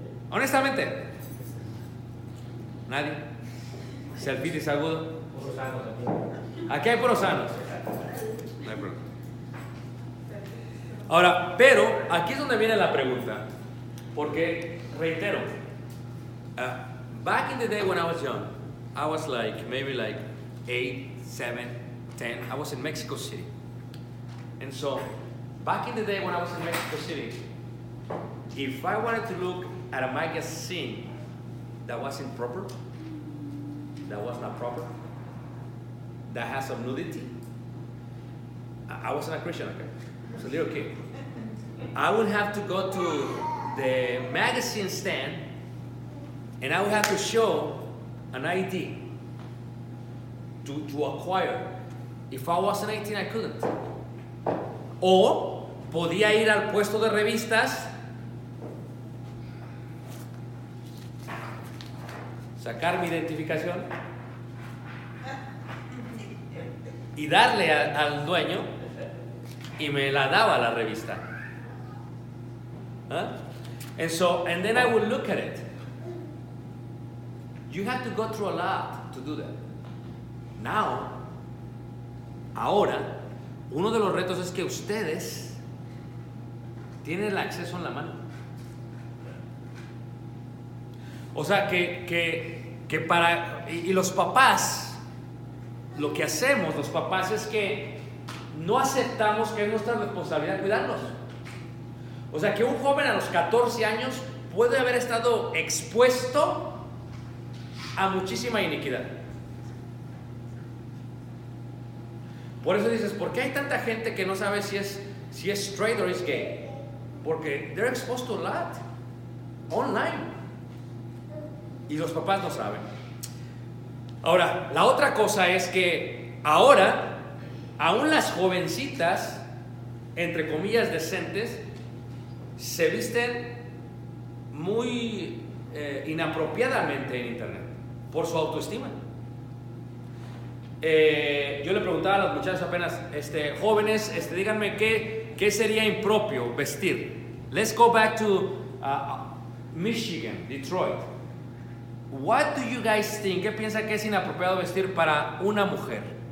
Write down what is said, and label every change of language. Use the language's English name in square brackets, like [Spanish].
[Spanish] Honestamente. ¿Nadie? ¿Selfitis agudo? Aquí hay puros sanos. No hay problema. Ahora, pero aquí es donde viene la pregunta. Porque, reitero. [English] Back in the day when I was young, I was like, maybe like 8, 7, 10, I was in Mexico City. And so, back in the day when I was in Mexico City, if I wanted to look at a magazine that wasn't proper, that was not proper, that has some nudity, I wasn't a Christian, okay? I was a little kid. I would have to go to the magazine stand and I would have to show an ID to acquire. If I wasn't 18, I couldn't. [Spanish] O podía ir al puesto de revistas, sacar mi identificación y darle al dueño y me la daba la revista. [English] ¿Ah? And then I would look at it. You had to go through a lot to do that. [Spanish] Now, ahora, uno de los retos es que ustedes tienen el acceso en la mano. O sea, que para... Y los papás, lo que hacemos los papás es que no aceptamos que es nuestra responsabilidad cuidarlos. O sea, que un joven a los 14 años puede haber estado expuesto a muchísima iniquidad. Por eso dices, ¿por qué hay tanta gente que no sabe si es straight or is gay? [English] Porque they're exposed to a lot online. [Spanish] Y los papás no saben. Ahora, la otra cosa es que ahora, aún las jovencitas, entre comillas, decentes, se visten muy inapropiadamente en internet por su autoestima. Yo le preguntaba a las muchachas apenas, jóvenes, díganme qué sería impropio vestir. [English] Let's go back to Michigan, Detroit. What do you guys think? [Spanish] ¿Qué piensa que es inapropiado vestir para una mujer?